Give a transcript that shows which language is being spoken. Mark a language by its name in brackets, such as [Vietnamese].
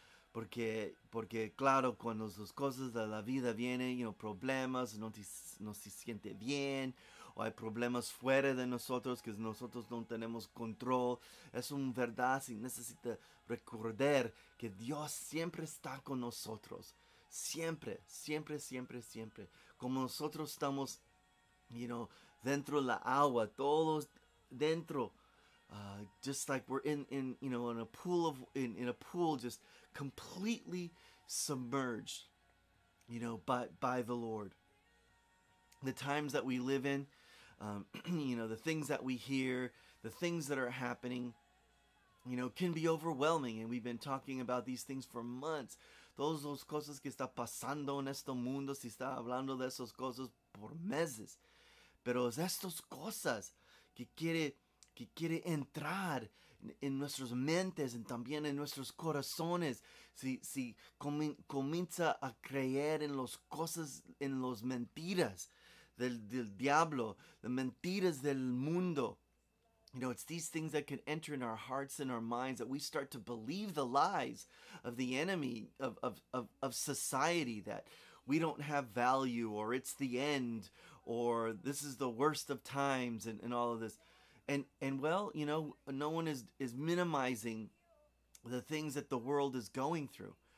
[Spanish] Porque claro, cuando las cosas de la vida vienen, problemas, no se siente bien, o hay problemas fuera de nosotros que nosotros no tenemos control, es una verdad y necesita recordar que Dios siempre está con nosotros. Siempre, siempre, siempre, siempre. Como nosotros estamos, dentro de la agua, todos dentro. [English] Just like we're in a pool, just completely submerged, by the Lord. The times that we live in, the things that we hear, the things that are happening, can be overwhelming. And we've been talking about these things for months. [Spanish] Todas las cosas que está pasando en este mundo, si está hablando de esas cosas por meses. Pero es estas cosas que quiere entrar en nuestras mentes y también en nuestros corazones. Si comienza a creer en las cosas, en las mentiras del diablo, las mentiras del mundo. [English] It's these things that can enter in our hearts and our minds that we start to believe the lies of the enemy, of society, that we don't have value or it's the end or this is the worst of times and all of this. And no one is minimizing the things that the world is going through.